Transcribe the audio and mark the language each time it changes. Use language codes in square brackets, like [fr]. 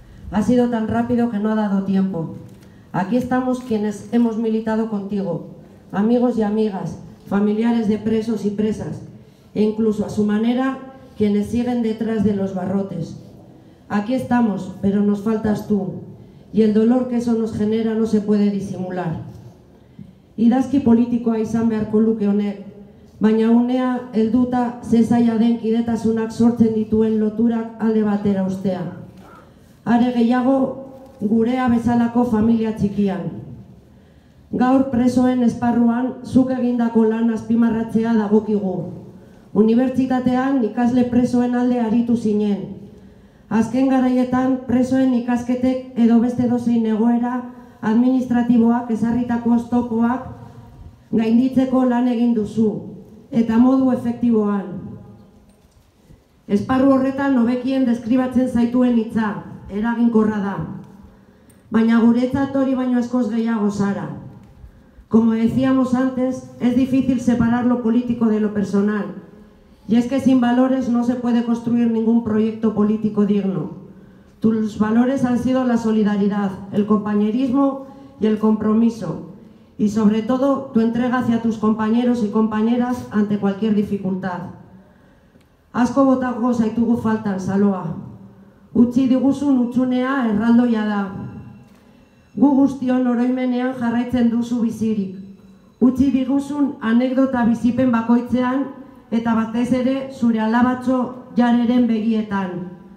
[es] Ha sido tan rápido que no ha dado tiempo. Aquí estamos quienes hemos militado contigo, amigos y amigas, familiares de presos y presas, e incluso a su manera, quienes siguen detrás de los barrotes. Aquí estamos, pero nos faltas tú, y el dolor que eso nos genera no se puede disimular. [eu] Idazki politikoa izan beharko luke honek, baina unea helduta zezaia den kidetasunak sortzen dituen loturak alde batera ustea. Are gehiago, gurea bezalako familia txikian. Gaur presoen esparruan zuk egindako lan azpimarratzea dagokigu. Unibertsitatean ikasle presoen alde aritu zinen. Azken garaietan presoen ikasketek edo beste dozein egoera administratiboak ezarritako oztopoak gainditzeko lan egin duzu. Eta modu efektiboan. Esparru horretan hobekien deskribatzen zaituen hitza, eraginkorra da. Baina guretzat hori baino askoz gehiago zara. [es] Como decíamos antes, es difícil separar lo político de lo personal. Y es que sin valores no se puede construir ningún proyecto político digno. Tus valores han sido la solidaridad, el compañerismo y el compromiso. Y sobre todo, tu entrega hacia tus compañeros y compañeras ante cualquier dificultad. [eu] Asko botako zaitugu faltan, Saloa. Utzi diguzun utxunea erraldoia da. Gu guztion oroimenean jarraitzen duzu bizirik. Utzi diguzun anekdota bizipen bakoitzean eta batez ere zure alabatxo jareren begietan.